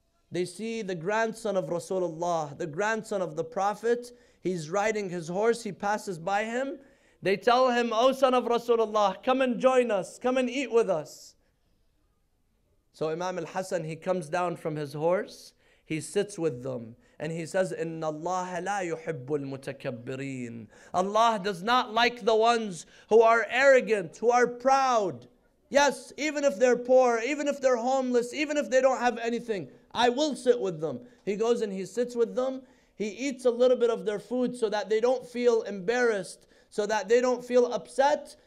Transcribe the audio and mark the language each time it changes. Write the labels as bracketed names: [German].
[English] They see the grandson of Rasulullah, the grandson of the Prophet. He's riding his horse. He passes by him. They tell him, O son of Rasulullah, come and join us. Come and eat with us. So Imam al-Hasan, he comes down from his horse. He sits with them. And he says, [Arabic] إِنَّ اللَّهَ لَا يُحِبُّ الْمُتَكَبِّرِينَ. [English] Allah does not like the ones who are arrogant, who are proud. Yes, even if they're poor, even if they're homeless, even if they don't have anything, I will sit with them. He goes and he sits with them. He eats a little bit of their food so that they don't feel embarrassed, so that they don't feel upset.